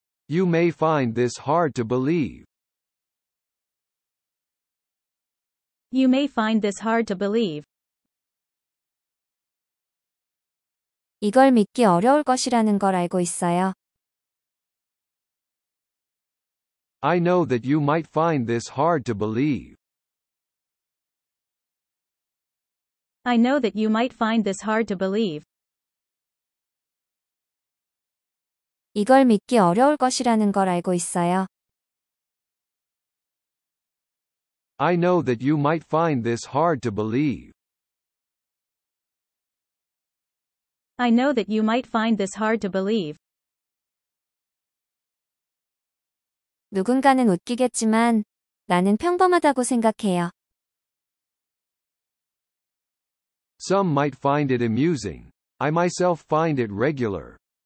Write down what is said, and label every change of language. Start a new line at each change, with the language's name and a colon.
English: You may find this hard to believe. You may find this hard to believe.
Korean: 이걸 믿기 어려울 것이라는 걸 알고 있어요.
English: I know that you might find this hard to believe. I know that you might find this hard to believe.
Korean: 이걸 믿기 어려울 것이라는 걸 알고 있어요.
English: I know that you might find this hard to believe. I know that you might find this hard to believe.
Korean: 누군가는 웃기겠지만, 나는 평범하다고 생각해요.
English: Some might find it amusing. I myself find it regular.